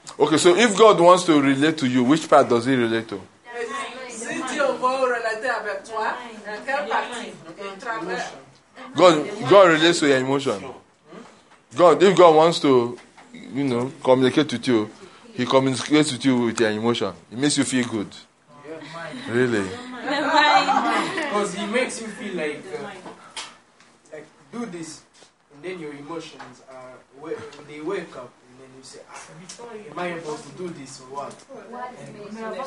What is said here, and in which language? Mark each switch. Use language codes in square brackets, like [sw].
[en] Okay, so if God wants to relate to you, which part does he relate to? [fr] Si Dieu veut relater avec toi, dans quelle partie? [en] God relates to your emotion. God, if God wants to, you know, communicate with you, he communicates with you with your emotion. It makes you feel good. Mind. Really? Because he makes you feel like do this, and then your emotions are, they wake up, and then you say, am I able to do this or what?